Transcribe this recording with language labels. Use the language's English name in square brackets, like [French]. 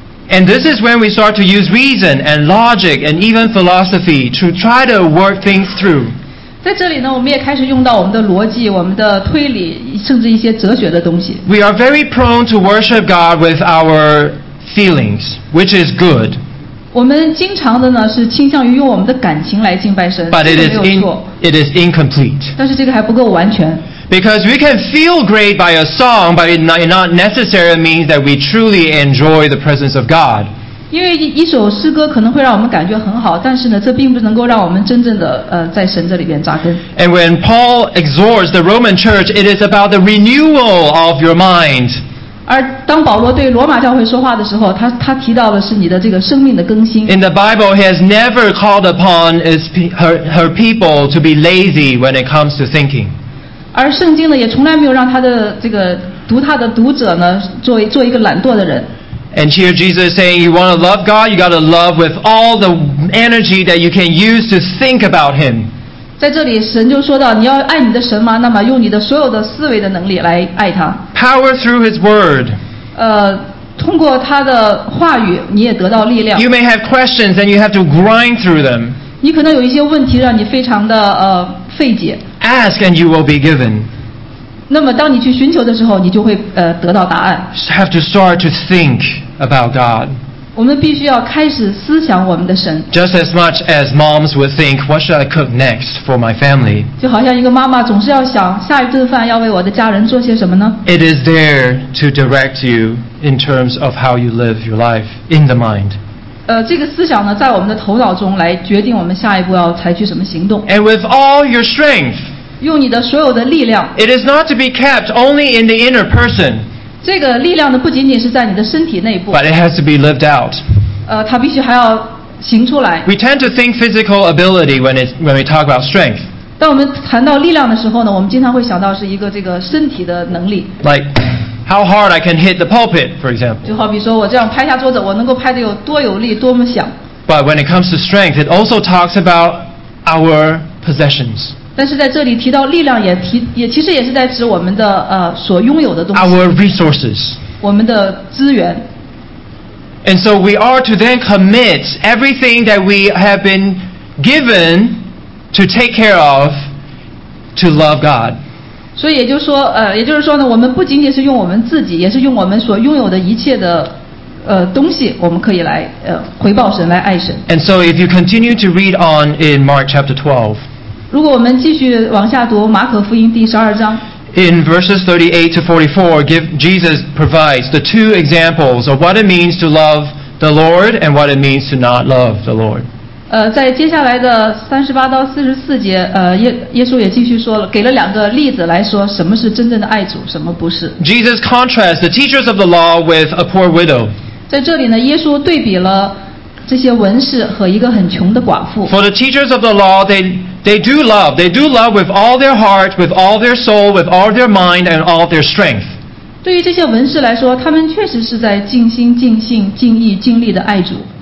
[English] And this is when we start to use reason and logic and even philosophy to try to work things through. [Chinese] 在这里呢，我们也开始用到我们的逻辑、我们的推理，甚至一些哲学的东西。 [English] We are very prone to worship God with our feelings, which is good. [Chinese] 我们经常的呢是倾向于用我们的感情来敬拜神，但是没有错。 [English] It is incomplete. [Chinese] 但是这个还不够完全。 [English] Because we can feel great by a song, but it not necessarily means that we truly enjoy the presence of God. [Chinese] 因为一首诗歌可能会让我们感觉很好，但是呢，这并不能够让我们真正的在神这里边扎根。 [English] And when Paul exhorts the Roman church, it is about the renewal of your mind. [Chinese] 而当保罗对罗马教会说话的时候，他提到的是你的这个生命的更新。 [English] In the Bible, he has never called upon her people to be lazy when it comes to thinking. [Chinese] 而圣经呢，也从来没有让他的这个读他的读者呢，做一个懒惰的人。 [English] And here Jesus is saying, you want to love God, you got to love with all the energy that you can use to think about Him. [Chinese] 在这里，神就说到，你要爱你的神吗？那么用你的所有的思维的能力来爱他。 [English] Power through His Word. [Chinese] 通过他的话语，你也得到力量。 [English] You may have questions, and you have to grind through them. [Chinese] 你可能有一些问题，让你非常的费解。 [English] Ask and you will be given. [Chinese] 那么当你去寻求的时候，你就会得到答案。 [English] Have to start to think about God. [Chinese] 我们必须要开始思想我们的神。 [English] Just as much as moms would think, what should I cook next for my family? [Chinese] 就好像一个妈妈总是要想下一顿饭要为我的家人做些什么呢？ [English] It is there to direct you in terms of how you live your life in the mind. [Chinese] 这个思想呢，在我们的头脑中来决定我们下一步要采取什么行动。 [English] And with all your strength, [Chinese] 用你的所有的力量。 [English] It is not to be kept only in the inner person. [Chinese] 这个力量呢，不仅仅是在你的身体内部。 [English] But it has to be lived out. [Chinese] 它必须还要行出来。 [English] We tend to think physical ability when we talk about strength. [Chinese] 当我们谈到力量的时候呢，我们经常会想到是一个这个身体的能力。 [English] Like. How hard I can hit the pulpit, for example. [Chinese] 就好比说我这样拍下桌子，我能够拍得有多有力，多么响。 [English] But when it comes to strength, it also talks about our possessions. [Chinese] 但是在这里提到力量，也其实也是在指我们的所拥有的东西。 [English] Our resources. [Chinese] 我们的资源。 [English] And so we are to then commit everything that we have been given to take care of to love God. [Chinese] 所以也就是说呢，我们不仅仅是用我们自己，也是用我们所拥有的一切的东西，我们可以来回报神，来爱神。 [English] And so if you continue to read on in Mark chapter 12, [Chinese] 如果我们继续往下读马可福音第十二章。 [English] In verses 38 to 44, Jesus provides the two examples of what it means to love the Lord and what it means to not love the Lord. [Chinese] 在接下来的38到44节，耶稣也继续说了，给了两个例子来说，什么是真正的爱主，什么不是。 [English] Jesus contrasts the teachers of the law with a poor widow. [Chinese] 在这里呢，耶稣对比了这些文士和一个很穷的寡妇。 [English] For the teachers of the law, they do love with all their heart, with all their soul, with all their mind, and all their strength. [Chinese] 对于这些文士来说，他们确实是在尽心、尽性、尽意、尽力的爱主。